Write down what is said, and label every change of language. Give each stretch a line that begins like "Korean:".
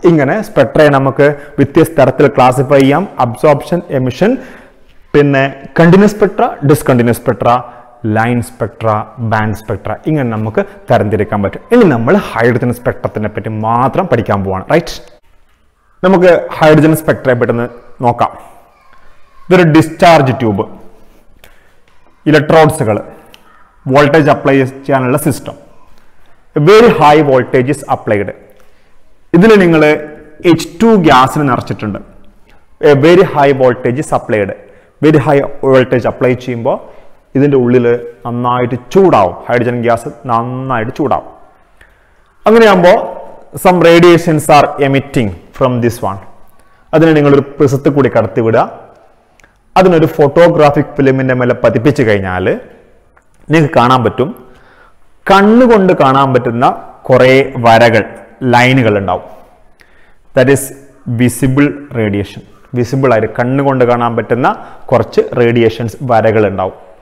Malayalam: ഇങ്ങനെ സ്പെക്ട്രയെ നമുക്ക് വ്യത്യസ്ത തരത്തിൽ ക്ലാസിഫൈ ചെയ്യാം. അബ്സോർപ്ഷൻ, എമിഷൻ, പിന്നെ continuous Spectra, discontinuous Spectra, line Spectra, band Spectra, ഇങ്ങനെ നമുക്ക് തരംതിരിക്കാൻ പറ്റും. ഇനി നമ്മൾ ഹൈഡ്രജൻ സ്പെക്ട്രത്തിനെ പറ്റി മാത്രം പഠിക്കാൻ പോവാണ്. റൈറ്റ്, നമുക്ക് ഹൈഡ്രജൻ സ്പെക്ട്രയെ പെട്ടെന്ന് നോക്കാം. ഇതൊരു ഡിസ്ചാർജ് ട്യൂബ്, ഇലക്ട്രോഡ്സുകൾ, വോൾട്ടേജ് അപ്ലൈ ചെയ്യാനുള്ള system,
English: very high voltage is applied.
Malayalam: ഇതില് നിങ്ങൾ H2 ഗ്യാസിനെ നിറച്ചിട്ടുണ്ട്.
English: A very high voltage is applied. Very high voltage apply
Malayalam: ചെയ്യുമ്പോൾ ഇതിന്റെ ഉള്ളിൽ നന്നായിട്ട് ചൂടാവും. ഹൈഡ്രജൻ ഗ്യാസ് നന്നായിട്ട് ചൂടാവും. അങ്ങനെയാകുമ്പോൾ
English: some radiations are emitting from this one.
Malayalam: അതിനെ നിങ്ങൾ ഒരു പ്രിസത്തിൽ കൂടി കടത്തി വിടുക. അതിനൊരു ഫോട്ടോഗ്രാഫിക് ഫിലിമിൻ്റെ മേലെ പതിപ്പിച്ചു കഴിഞ്ഞാൽ നിങ്ങൾക്ക് കാണാൻ പറ്റും, കണ്ണുകൊണ്ട് കാണാൻ പറ്റുന്ന കുറേ വരകൾ ലൈനുകൾ ഉണ്ടാവും.
English: That is visible radiation.
Malayalam: Visible ആയിട്ട് കണ്ണുകൊണ്ട് കാണാൻ പറ്റുന്ന കുറച്ച് റേഡിയേഷൻസ് വരകൾ ഉണ്ടാവും.